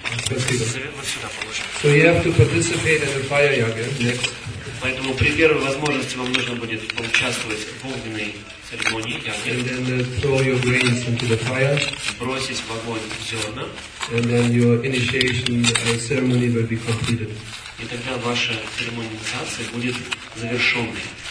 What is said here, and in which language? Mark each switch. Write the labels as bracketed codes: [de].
[en] So you have to participate in the fire yoga next. [ru] Поэтому при первой возможности вам нужно будет поучаствовать в огненной церемонии яги. [en] And then throw your grains into the fire. [ru] Бросить в огонь зерна. [en] And then your initiation ceremony will be completed. [ru] И тогда ваша церемония будет завершенной.